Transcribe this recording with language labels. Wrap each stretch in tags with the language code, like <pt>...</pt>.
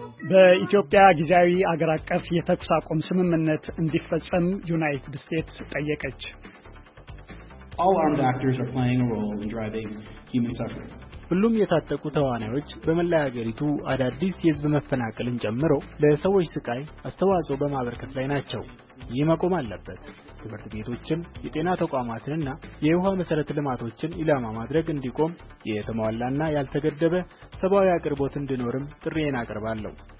<am>በኢትዮጵያ ግዛዊ አገር አቀፍ የተኩስ አቁም ስምምነት እንዲፈጸም ዩናይትድ ስቴትስ ጠየቀች።</am> <en>All armed actors are playing a role in driving human suffering.</en> <am>ሁሉም የታጠቁ ተዋናዮች በመላ ሀገሪቱ አዳዲስ የህዝብ መፈናቀልን ጀምሮ ለሰዎች ስቃይ አስተዋጽኦ በማበርከት ላይ ናቸው። ይህ መቆም አለበት። ትምህርት ቤቶችን፣ የጤና ተቋማትንና የውሃ መሰረተ ልማቶችን ኢላማ ማድረግ እንዲቆም የተሟላና ያልተገደበ ሰብአዊ አቅርቦት እንዲኖርም ጥሪዬን አቀርባለሁ።</am>